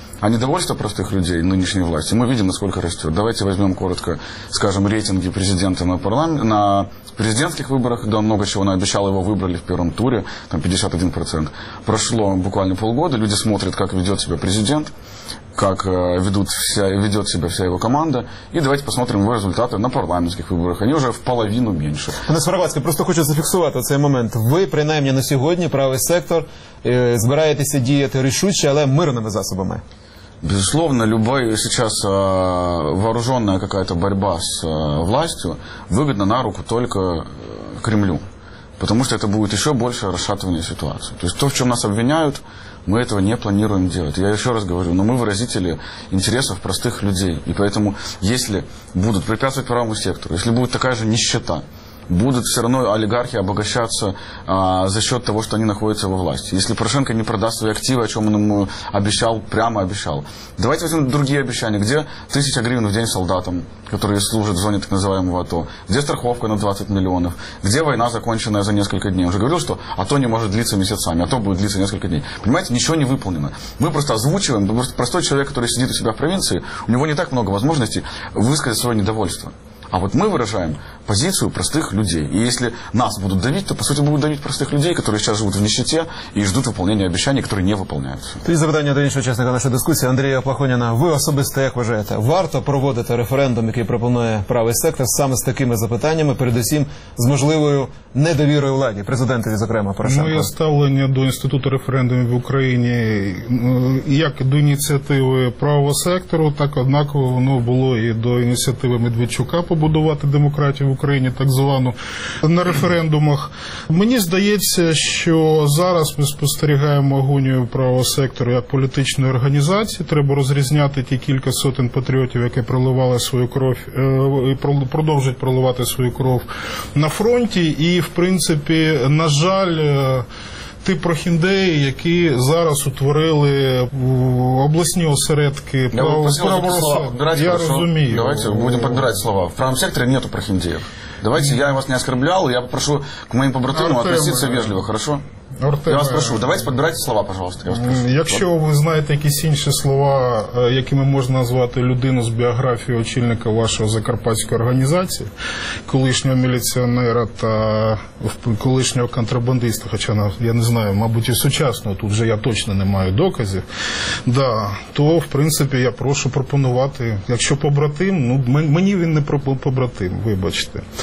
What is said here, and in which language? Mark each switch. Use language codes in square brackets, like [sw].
[ru] А недовольство простых людей нынешней власти, мы видим, насколько растет. Давайте возьмем коротко, скажем, рейтинги президента на президентских выборах, когда он много чего наобещал, его выбрали в первом туре, там 51%. Прошло буквально полгода, люди смотрят, как ведет себя президент, как ведет себя вся его команда. И давайте посмотрим его результаты на парламентских выборах. Они уже в половину меньше. [uk] Пане Скоропадський, просто хочу зафіксувати цей момент. Ви, принаймні, на сьогодні, правий сектор, збираєтеся діяти рішуче, але мирними засобами. [ru] Безусловно, любая сейчас вооруженная какая-то борьба с властью выгодна на руку только Кремлю. Потому что это будет еще больше расшатывание ситуации. То есть то, в чем нас обвиняют, мы этого не планируем делать. Я еще раз говорю, но мы выразители интересов простых людей. И поэтому, если будут препятствовать правому сектору, если будет такая же нищета, будут все равно олигархи обогащаться за счет того, что они находятся во власти. Если Порошенко не продаст свои активы, о чем он ему обещал, прямо обещал. Давайте возьмем другие обещания. Где 1000 гривен в день солдатам, которые служат в зоне так называемого АТО? Где страховка на 20 миллионов? Где война, законченная за несколько дней? Я уже говорил, что АТО не может длиться месяцами, АТО будет длиться несколько дней. Понимаете, ничего не выполнено. Мы просто озвучиваем, простой человек, который сидит у себя в провинции, у него не так много возможностей высказать свое недовольство. А вот мы выражаем позицию простых людей. И если нас будут давить, то, по сути, будут давить простых людей, которые сейчас живут в нищете и ждут выполнения обещаний, которые не выполняются. [uk] Три запитання до іншого учасника нашої дискусії. Андрія Плахоніна, ви особисто як вважаєте, варто проводити референдум, який пропонує правий сектор, саме з такими запитаннями, передусім з можливою недовірою владі, президентові, зокрема, Порошенко? Моє ставлення до інституту референдумів в Україні, як до ініціативи правого сектору, так однаково воно було і до ініціативи Медведчука побудувати демократію в Україні, так звану, на референдумах. Мені здається, що зараз ми спостерігаємо агонію правого сектору як політичної організації. Треба розрізняти ті кілька сотень патріотів, які проливали свою кров і продовжують проливати свою кров на фронті. І, в принципі, на жаль, ті прохіндеї, які зараз утворили обласні осередки правого сектору. Я розумію. Давайте будемо підбирати слова. В правому секторі немає прохіндеїв. [ru] Давайте, я вас не оскорблял, я попрошу к [uk] моїм побратимам [ru] относиться вежливо, хорошо? Артем, я вас прошу, давайте подбирайте слова, пожалуйста. Я вас прошу. [uk] Якщо ви знаєте якісь інші слова, якими можна назвати людину з біографії очільника вашої закарпатської організації, колишнього міліціонера та колишнього контрабандиста, хоча, я не знаю, мабуть, і сучасного, тут вже я точно не маю доказів, да, то, в принципі, я прошу пропонувати, якщо побратим, ну, мені він не побратим, вибачте.